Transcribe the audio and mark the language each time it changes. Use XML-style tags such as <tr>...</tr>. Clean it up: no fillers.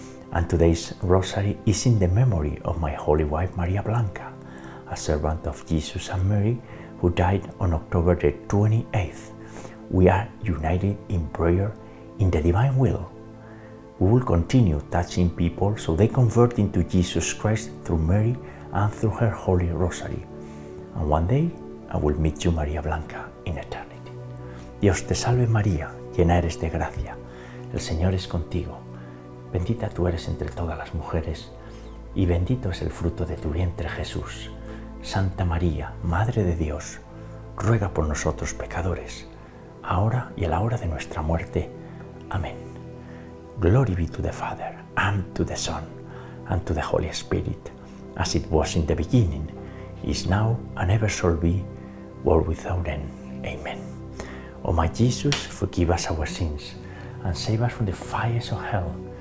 <en>And today's Rosary is in the memory of my holy wife, Maria Blanca, a servant of Jesus and Mary, who died on October the 28th. We are united in prayer in the divine will. We will continue touching people so they convert into Jesus Christ through Mary and through her holy Rosary. And one day, I will meet you, Maria Blanca, in eternity.</en> <es>Dios te salve, María, llena eres de gracia. El Señor es contigo. Bendita tú eres entre todas las mujeres y bendito es el fruto de tu vientre, Jesús. Santa María, Madre de Dios, ruega por nosotros, pecadores, ahora y a la hora de nuestra muerte. Amén.</es> <en>Glory be to the Father, and to the Son, and to the Holy Spirit, as it was in the beginning, is now, and ever shall be, world without end. Amen. O my Jesus, forgive us our sins, and save us from the fires of hell.</en>